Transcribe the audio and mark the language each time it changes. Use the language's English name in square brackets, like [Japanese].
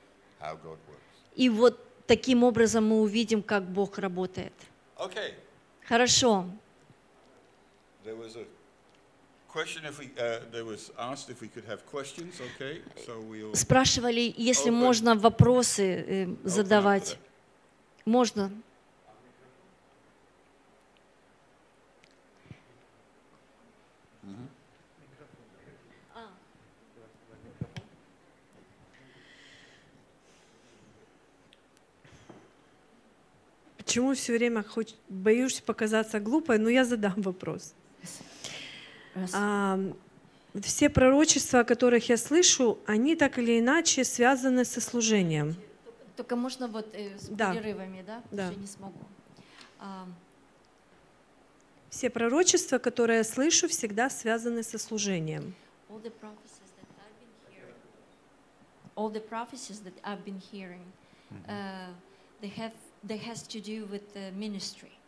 [Russian] И вот таким образом мы увидим, как Бог работает. [English] Okay. [Russian] Хорошо. [English] There was a question if we there was asked if we could have questions, okay? So we'll [Russian] спрашивали, если можно вопросы задавать. Можно. Почему все время боюсь показаться глупой, но я задам вопрос. Все пророчества, о которых я слышу, они так или иначе связаны со служением. Только можно вот с перерывами, да? Да. Я не смогу. Все пророчества, которые я слышу, всегда связаны со служением. [English] All the prophecies that I've been hearing, all the prophecies that I've been hearing, they has to do with the ministry.